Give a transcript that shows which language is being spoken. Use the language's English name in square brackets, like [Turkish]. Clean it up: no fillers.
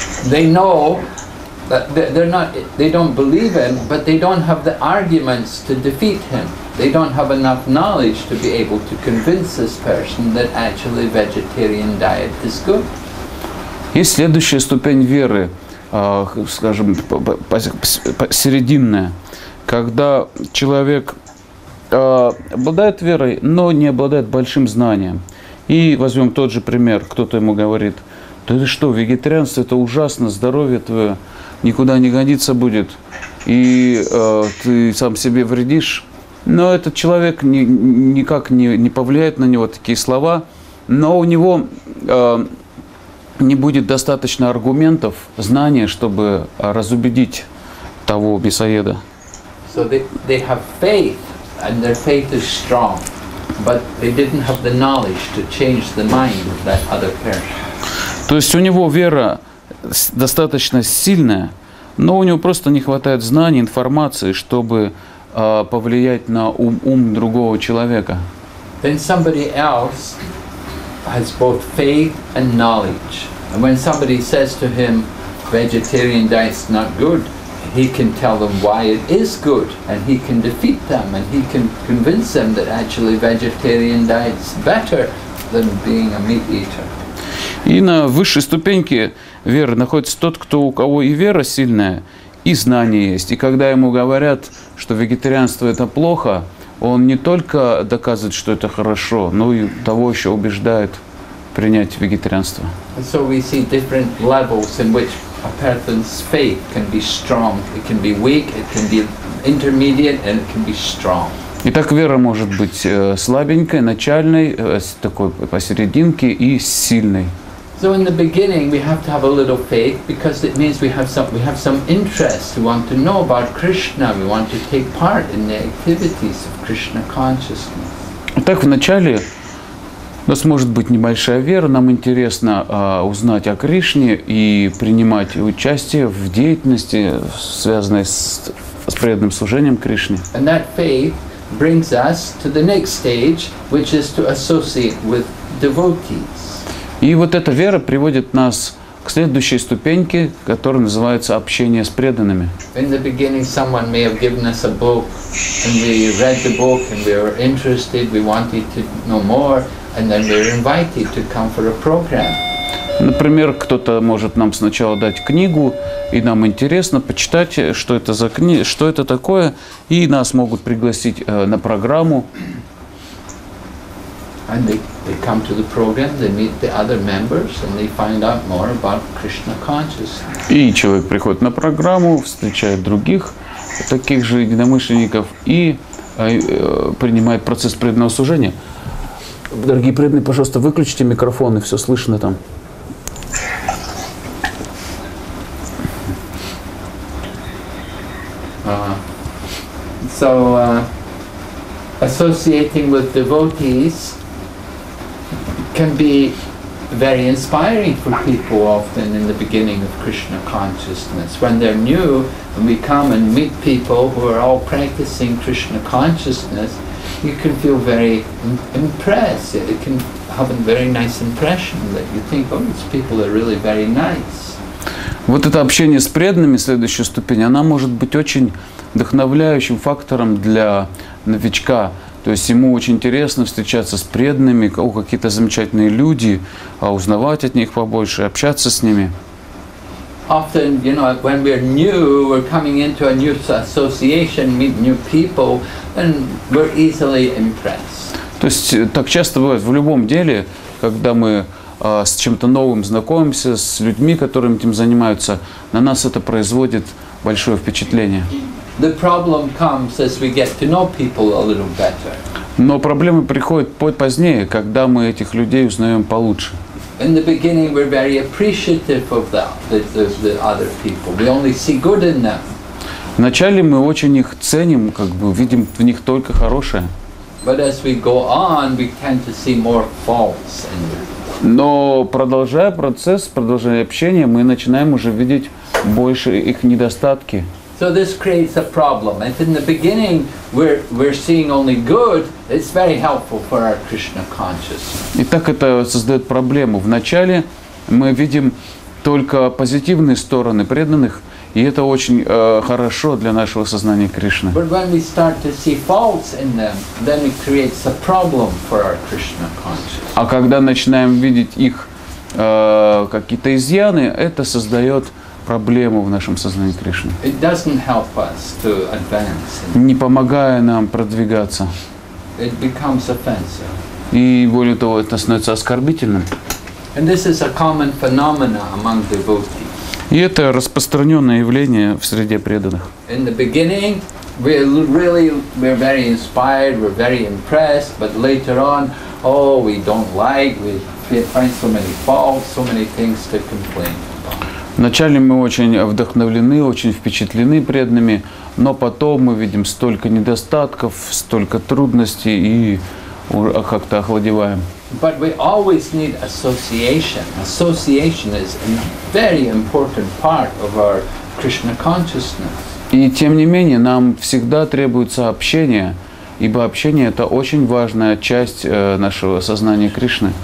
[English] They know that they don't believe him, but they don't have the arguments to defeat him. They don't have enough knowledge to be able to convince this person that actually vegetarian diet is good. [Russian] Есть следующая ступень веры, скажем, серединная, когда человек обладает верой, но не обладает большим знанием. И возьмем тот же пример, кто-то ему говорит: «Да ты что, вегетарианство – это ужасно, здоровье твое никуда не годится будет, и ты сам себе вредишь». Но этот человек никак не повлияет на него такие слова, но у него не будет достаточно аргументов, знания, чтобы разубедить того мясоеда. [English] So they have faith, and their faith is strong, but they didn't have the knowledge to change the mind of that other person. [Russian] То есть у него вера достаточно сильная, но у него просто не хватает знаний, информации, чтобы повлиять на ум другого человека. [English] Then somebody else has both faith and knowledge. And when somebody says to him, vegetarian diet is not good, he can tell them why it is good, and he can defeat them, and he can convince them that actually vegetarian diet is better than being a meat eater. [Russian] И на высшей ступеньке веры находится тот, кто, у кого и вера сильная, и знания есть. И когда ему говорят, что вегетарианство – это плохо, он не только доказывает, что это хорошо, но и того еще убеждает принять вегетарианство. [English] So we see different levels in which a person's faith can be strong. It can be weak, it can be intermediate, and it can be strong. [Russian] Итак, вера может быть слабенькой, начальной, такой посерединке и сильной. [English] So in the beginning we have to have a little faith because it means we have some interest. We want to know about Krishna. We want to take part in the activities of Krishna consciousness. [Russian] Итак, вначале у нас может быть небольшая вера. Нам интересно узнать о Кришне и принимать участие в деятельности, связанной с преданным служением Кришне. [English] And that faith brings us to the next stage, which is to associate with devotees. [Russian] И вот эта вера приводит нас к следующей ступеньке, которая называется общение с преданными. [English] In the beginning, someone may have given us a book, and we read the book, and we were interested, we wanted to know more, and then we were invited to come for a program. [Russian] Например, кто-то может нам сначала дать книгу, и нам интересно почитать, что это за книга, что это такое, и нас могут пригласить на программу. [English] And they come to the program, they meet the other members, and they find out more about Krishna consciousness. [Russian] И человек приходит на программу, встречает других таких же единомышленников и принимает процесс преданного служения. Дорогие преданные, пожалуйста, выключите микрофоны, все слышно там. [English] So associating with devotees can be very inspiring for people often in the beginning of Krishna consciousness. When they're new and we come and meet people who are all practicing Krishna consciousness, you can feel very impressed. It can have a very nice impression that you think, oh, these people are really very nice. [Russian] Вот это общение с преданными, следующая ступень, она может быть очень вдохновляющим фактором для новичка. То есть ему очень интересно встречаться с преданными, у какие-то замечательные люди, а узнавать от них побольше, общаться с ними. [English] Often, you know, when we're new, we're coming into a new association, meet new people, and we're easily impressed. [Russian] То есть так часто бывает в любом деле, когда мы с чем-то новым знакомимся, с людьми, которыми этим занимаются, на нас это производит большое впечатление. [English] The problem comes as we get to know people a little better. [Russian] Но проблемы приходят позднее, когда мы этих людей узнаем получше. [English] In the beginning, we're very appreciative of that, the other people. We only see good in them. [Russian] Вначале мы очень их ценим, как бы видим в них только хорошее. [English] But as we go on, we tend to see more faults in them. [Russian] Но продолжая процесс, продолжая общение, мы начинаем уже видеть больше их недостатки. [English] So this creates a problem. If in the beginning we're seeing only good, it's very helpful for our Krishna consciousness. [Russian] Итак, это создает проблему. Вначале мы видим только позитивные стороны преданных, и это очень хорошо для нашего сознания Кришны. [English] But when we start to see faults in them, then it creates a problem for our Krishna consciousness. [Russian] А когда начинаем видеть их какие-то изъяны, это создает проблему в нашем сознании Кришны. [English] It doesn't help us to advance. [Russian] Не помогая нам продвигаться. [English] It becomes offensive. [Russian] И более того, это становится оскорбительным. [English] And this is a common phenomenon among devotees. [Russian] И это распространенное явление в среде преданных. [English] In the beginning, we're very inspired, we're very impressed, but later on, we don't like, we find so many faults, so many things to complain. [Russian] Вначале мы очень вдохновлены, очень впечатлены преданными, но потом мы видим столько недостатков, столько трудностей и как-то охладеваем. [English] But we always need association. Association is a very important part of our Krishna consciousness. [Russian] И тем не менее, нам всегда требуется общение, ибо общение – это очень важная часть нашего сознания Кришны.